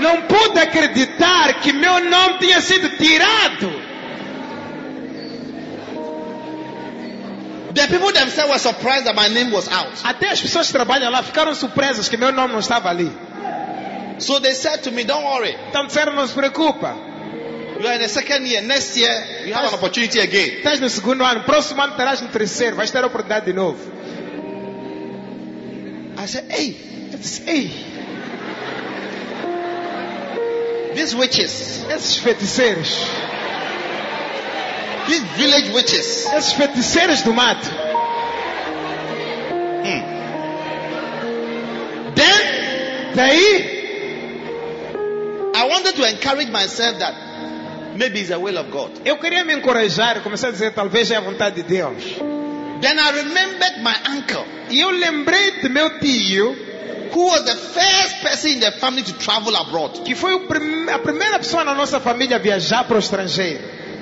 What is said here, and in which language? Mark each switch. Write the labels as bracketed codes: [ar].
[pt] Não pude acreditar que meu nome tinha sido tirado. [en] The people themselves were surprised that my name was out. [pt] Até as pessoas que trabalham lá ficaram surpresas que meu nome não estava ali. [en] So they said to me, "Don't worry." [pt] Então disseram, não se preocupa. [en] You are in the second year. Next year, you have an opportunity again. [pt] Estás no segundo ano. Próximo ano terás no terceiro. Vais ter a oportunidade de novo. [en] I said, "Hey, it's hey." These witches. [pt] Esses feiticeiros. [en] These village witches. [pt] Esses feiticeiros do mato. [en] Then, [pt] daí, [en] I wanted to encourage myself that maybe it's the will of God. [pt] Eu queria me encorajar, comecei a dizer talvez é a vontade de Deus. [en] Then I remembered my uncle. [pt] E eu lembrei do meu tio, [en] who was the first person in the family to travel abroad. [pt] Que foi a primeira pessoa na nossa família a viajar para o estrangeiro.